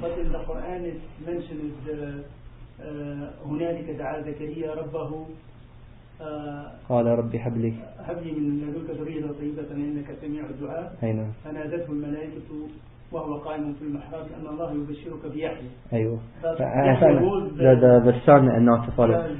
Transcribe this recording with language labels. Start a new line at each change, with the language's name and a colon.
English: But in the Quran, it mentions the
Arabic: هنالك دعا زكريا ربه قال ربي حبلي حبلي من لدنك ذرية طيبة إنك سميع الدعاء فنادته الملائكة وهو قائم في المحراب أن الله يبشرك بيحيى. أيوة.
English: The son and not the father.